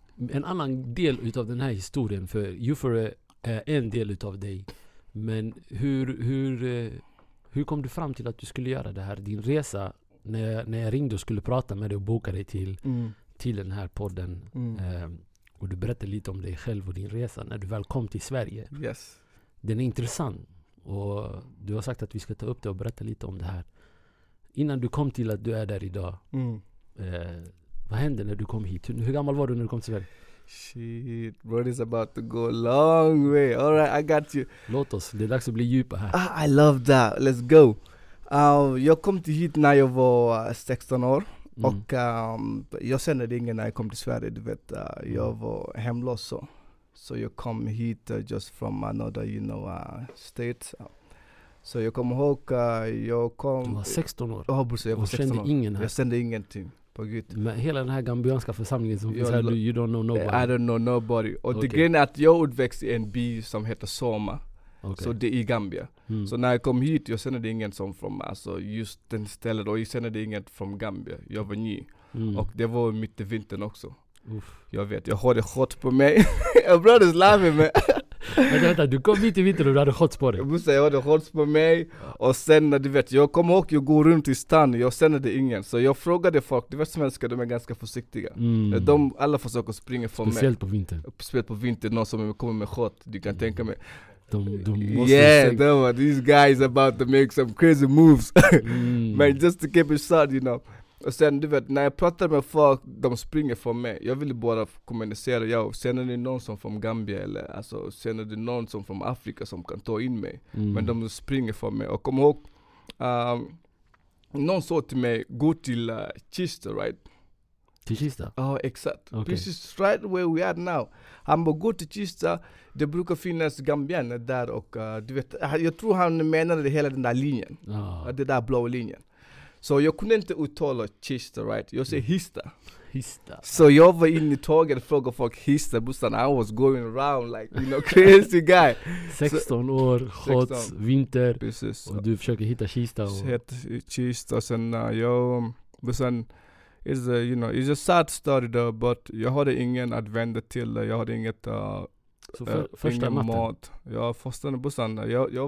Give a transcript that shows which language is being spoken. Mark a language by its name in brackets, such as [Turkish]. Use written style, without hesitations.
[Swedish] En annan del utav den här historien, för Jufure är en del utav dig, men hur kom du fram till att du skulle göra det här, din resa, när jag ringde och skulle prata med dig och boka dig till den här podden, och du berättade lite om dig själv och din resa när du väl kom till Sverige. [English] Yes. [Swedish] Den är intressant och du har sagt att vi ska ta upp det och berätta lite om det här. Innan du kom till att du är där idag, vad hände när du kom hit? Hur gammal var du när du kom till Sverige? [English] Shit, bro, this is about to go a long way. All right, I got you. [Swedish] Låt oss, det är dags att bli djupa här. [English] I love that. Let's go. [Swedish] Jag kom till hit när jag var 16 år. Och jag kände ingen när jag kom till Sverige. Du vet, jag var hemlös. Så. [English] So you come hit just from another, you know, state. So you come hook, you come... [Swedish] Du var 16 år. Ja, oh, brorsan, jag var 16 år. Och kände ingen här. Jag kände ingenting. På gud. Men hela den här gambianska församlingen som finns här, [English] you don't know nobody. I don't know nobody. [Swedish] Och okay. Det grejen är att jag utväxt i en by som heter Soma. Okay. Så det är i Gambia. Mm. Så när jag kom hit, jag kände ingen som från, alltså just den stället. Och jag kände ingen från Gambia. Jag var ny. Mm. Och det var mitt i vintern också. Uff. Jag vet, jag har det hot på mig. Jag började slava mig. Vänta, du kom mitt i vintern och du hade hot på dig. Jag måste säga, jag hade hot på mig. Och sen, du vet, jag kom och jag går runt i stan. Jag kände det ingen. Så jag frågade folk, du vet svenskar, de är ganska försiktiga. Mm. De alla försöker springa från mig. Speciellt på vintern. Speciellt på vintern, någon som kommer med hot. Du kan tänka mig. [English] Yeah, these guys about to make some crazy moves. Man, just to keep it short, you know. [Swedish] Och sen, du vet, när jag pratar med folk, de springer från mig. Jag vill bara kommunicera. Yo, känner ni någon som från Gambia eller alltså, känner ni någon som från Afrika som kan ta in mig? Mm. Men de springer från mig. Och kom ihåg, någon sa till mig, gå till Kista, right? Kista? Ja, exakt. Okay. Precis, [English] right where we are now. [Swedish] Han bara, gå till Kista. Det brukar finnas gambianer där. Och du vet, jag tror han menade hela den där linjen. Oh. Den där blå linjen. Så jag kunde inte uttala Chista, right? Jag säger Hista. Hista. Så jag var inne i tåget och frågade folk Hista. [English] Bussan, I was going around like, you know, crazy guy. [Swedish] 16 så, år, hot, vinter. Precis. Och du försöker hitta Chista. Hitta Chista. Sen jag, bussan, [English] it's a, you know, it's a sad story though, but [Swedish] jag hade ingen att vända till. Jag hade inget, första ingen mat. Ja, första bussan. Jag var